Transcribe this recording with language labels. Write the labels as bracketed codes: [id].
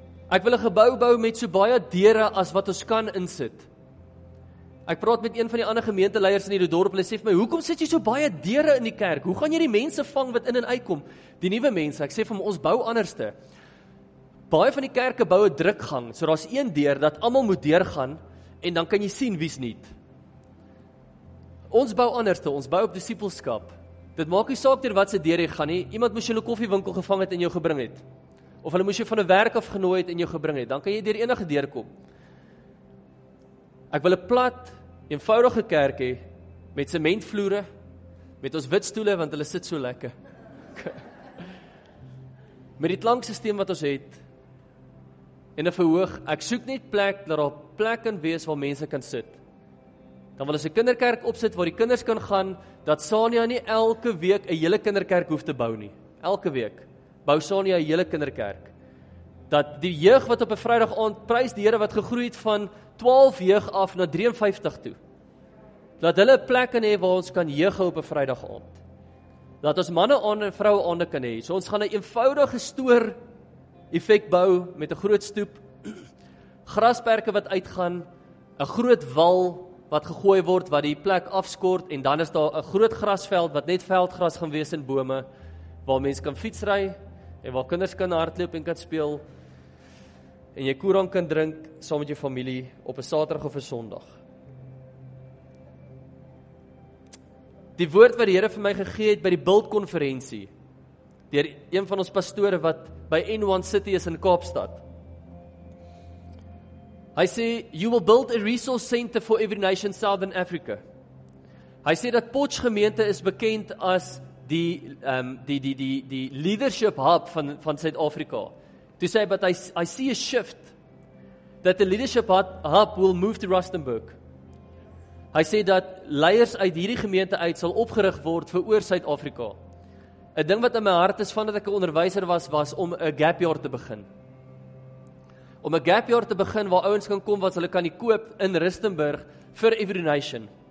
[af] Ek wil 'n gebou bou met so baie deure as wat ons kan insit. Ek praat met een van die ander gemeenteleiers in die dorp, hulle sê vir my, hoekom sit jy so baie deure in die kerk? Hoe gaan jy die mense vang wat in en uitkom? Die nuwe mense, ek sê vir my, ons bou anderste. Baie van die kerke bou 'n drukgang, so daar's een deur dat almal moet deurgaan, en dan kan je zien wie is niet. Ons bouw anders, ons bouw op discipelskap. Dit maak nie saak deur wat se deur jy gaan nie. Iemand moes jou koffiewinkel gevang het en jou gebring het. Of hulle moes jou van 'n werk af genooi het en jou gebring het. Dan kan jy deur enige deur kom. Ek wil 'n plat, eenvoudige kerk hê met sementvloere, met ons wit stoele want hulle sit so lekker. Met die klankstelsel wat ons het en 'n verhoog. Ek soek net plek dat daar plek kan wees waar mense kan sit. Dan wil ons 'n kinderkerk opsit waar die kinders kan gaan, dat Sania nie elke week 'n hele kinderkerk hoef te bou nie. Elke week bou Sania 'n hele kinderkerk. Dat die jeug wat op 'n Vrydag aand prys die Here wat gegroei het van 12 jeug af na 53 toe. Dat hulle 'n plek kan hê waar ons kan jeug op 'n Vrydag aand. Dat ons manne aan en vroue aan kan hê. So ons gaan 'n eenvoudige stoor effek bou met 'n groot stoep, grasperke wat uitgaan, 'n groot wal wat gegooi word, wat die plek afskort, en dan is daar 'n groot grasveld, wat net veldgras gaan wees in bome, waar mense kan fietsry, en waar kinders kan hardloop en kan speel, en jy koerant kan drink, saam met jou familie, op 'n Saterdag of 'n Sondag. Die woord wat die Here vir my gegee het, by die bildkonferensie, deur een van ons pastore, wat by N1 City is in Kaapstad, hy sê, [en] you will build a resource center for every nation Southern Africa. [af] Hy sê dat Potch gemeente is bekend as die leadership hub van Suid-Afrika. Toe sê, [en] but I see a shift that the leadership hub will move to Rustenburg. [af] Hy sê dat leiers uit hierdie gemeente uit sal opgerig word vir oor Suid-Afrika. Een ding wat in my hart is, vandat ek 'n onderwyser was om 'n gap year te begin. Om 'n gap year te begin waar ouens kan kom wat hulle kan koop in Rustenburg vir Every Nation.